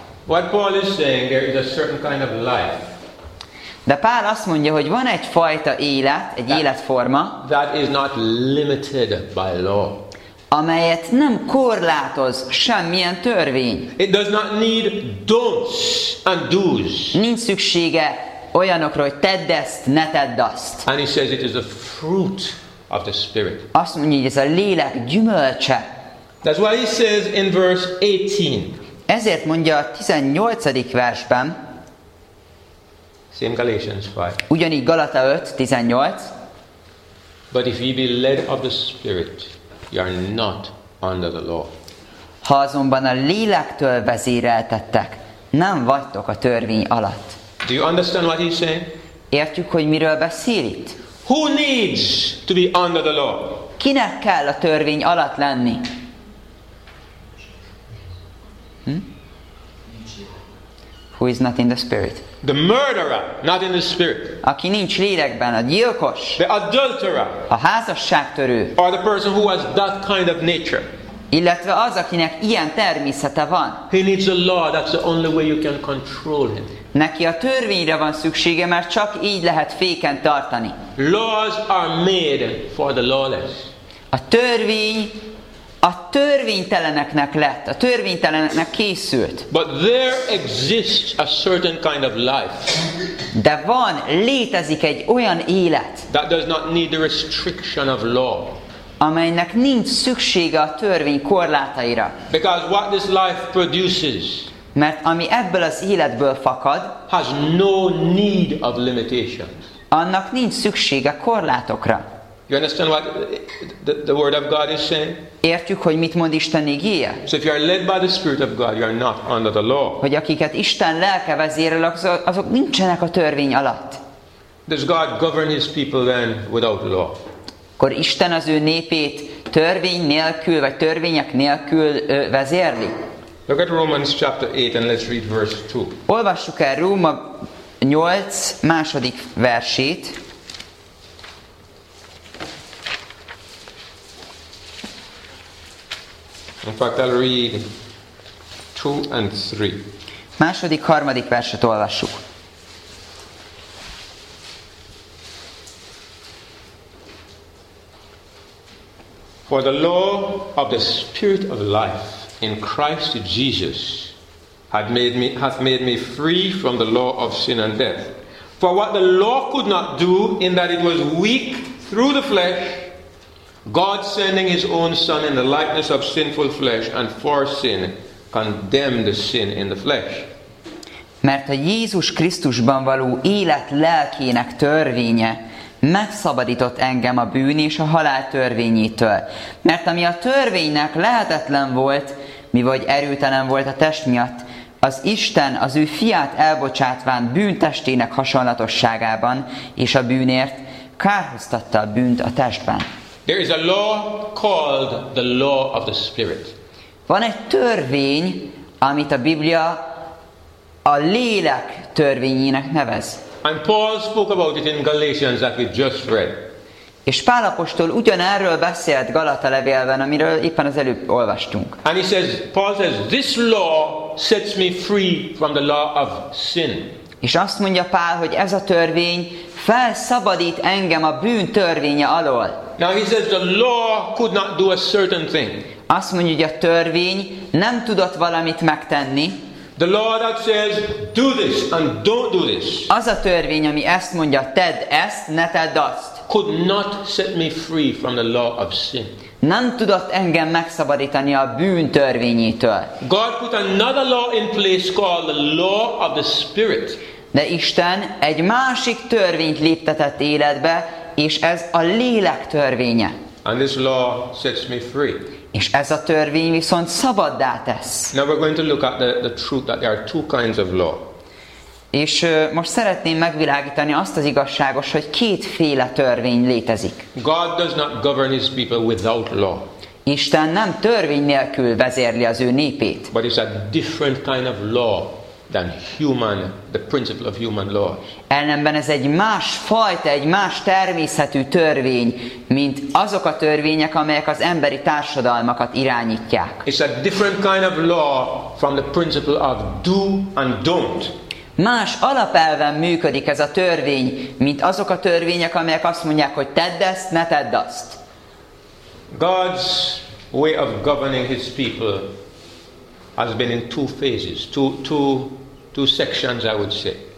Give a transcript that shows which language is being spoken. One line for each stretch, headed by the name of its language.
English: What Paul is saying, there is a certain kind of life.
Hungarian: De Pál azt mondja, hogy van egy fajta élet, egy életforma.
English: That is not limited by law.
Hungarian: Amelyet nem korlátoz semmilyen törvény.
English: It does not need don'ts and do's.
Hungarian: Nincs szüksége olyanokra, hogy tedd ezt, ne tedd azt.
English: And he says it is a fruit of the Spirit.
Hungarian: Azt mondja, hogy ez a lélek gyümölcse.
English: That's why he says in verse 18.
Hungarian: Ezért mondja a 18. versben.
English: Same Galatians 5.
Hungarian: Ugyanígy Galata 5:18.
English: But if ye be led of the Spirit, ye are not under the law.
Hungarian: Ha azonban a lélektől vezéreltettek, nem vagytok a törvény alatt.
English: Do you understand what he's saying?
Hungarian: Értjük, hogy miről beszél itt?
English: Who needs to be under the law?
Hungarian: Kinek kell a törvény alatt lenni? Hm?
English: who is not in the spirit. The murderer, not in the spirit.
Hungarian: Aki nincs lélekben, a gyilkos.
English: The adulterer.
Hungarian: A házasságtörő.
English: Or the person who has that kind of nature.
Hungarian: Illetve az, akinek ilyen természete van.
English: He needs a law. That's the only way you can control him.
Hungarian: Neki a törvényre van szüksége, mert csak így lehet féken tartani.
English: Laws are made for the lawless.
Hungarian: A törvény a törvényteleneknek lett, a törvényteleneknek készült.
English: But there exists a certain kind of life.
Hungarian: De van, létezik egy olyan élet.
English: That does not need the restriction of law.
Hungarian: Amelynek nincs szüksége a törvény korlátaira.
English: Because what this life produces.
Hungarian: Mert ami ebből az életből fakad,
English: has no need of limitations.
Hungarian: Annak nincs szüksége korlátokra.
English: You understand what the word of God is saying?
Hungarian: Értjük, hogy mit mond Isten igéje?
English: So if you are led by the Spirit of God, you are not under the law.
Hungarian: Hogy akiket Isten lelke vezérel, azok nincsenek a törvény alatt.
English: Does God govern his people then without law?
Hungarian: Akkor Isten az ő népét törvény nélkül, vagy törvények nélkül vezérli?
English: Look at Romans chapter 8 and let's read verse 2.
Hungarian: Olvassuk el Róma 8 második versét.
English: In fact, I'll read 2 and 3.
Hungarian: Második, harmadik verset olvassuk.
English: For the law of the Spirit of life in Christ Jesus hath made me free from the law of sin and death. For what the law could not do, in that it was weak through the flesh, God sending his own son in the likeness of sinful flesh and for sin condemned the sin in the flesh.
Hungarian: Mert a Jézus Krisztusban való élet lelkének törvénye megszabadított engem a bűn és a halál törvényétől. Mert ami a törvénynek lehetetlen volt, mi vagy erőtelen volt a test miatt, az Isten az ő fiát elbocsátván bűntestének hasonlatosságában és a bűnért kárhoztatta a bűnt a testben.
English: There is a law called the law of the spirit.
Hungarian: Van egy törvény, amit a Biblia a lélek törvényének nevez.
English: And Paul spoke about it in Galatians that we just read.
Hungarian: És Pál apostol ugyanerről beszélt Galata levélben, amiről éppen az előbb olvastunk.
English: And he says, Paul says, this law sets me free from the law of sin.
Hungarian: És azt mondja Pál, hogy ez a törvény felszabadít engem a bűn törvénye alól.
English: Now he says the law could not do a certain thing.
Hungarian: Azt mondja, hogy a törvény nem tudott valamit megtenni.
English: The law that says do this and don't do this.
Hungarian: Az a törvény, ami ezt mondja, tedd ezt, ne tedd azt.
English: Could not set me free from the law of sin.
Hungarian: Nem tudott engem megszabadítani a bűn törvényétől.
English: God put another law in place called the law of the spirit.
Hungarian: De Isten egy másik törvényt léptetett életbe, és ez a lélek törvénye.
English: And this law sets me free.
Hungarian: És ez a törvény viszont szabaddá tesz.
English: Now we're going to look at the truth that there are two kinds of law.
Hungarian: És most szeretném megvilágítani azt az igazságos, hogy kétféle törvény létezik.
English: God does not govern his people without law.
Hungarian: Isten nem törvény nélkül vezérli az ő népét.
English: But it's a different kind of law than human, the principle of human law.
Hungarian: Ellenben ez egy más fajta, egy más természetű törvény, mint azok a törvények, amelyek az emberi társadalmakat irányítják.
English: It's a different kind of law from the principle of do and don't.
Hungarian: Más alapelven működik ez a törvény, mint azok a törvények, amelyek azt mondják, hogy tedd ezt, ne tedd azt.
English: God's way of governing his people has been in two phases, two sections, I would say.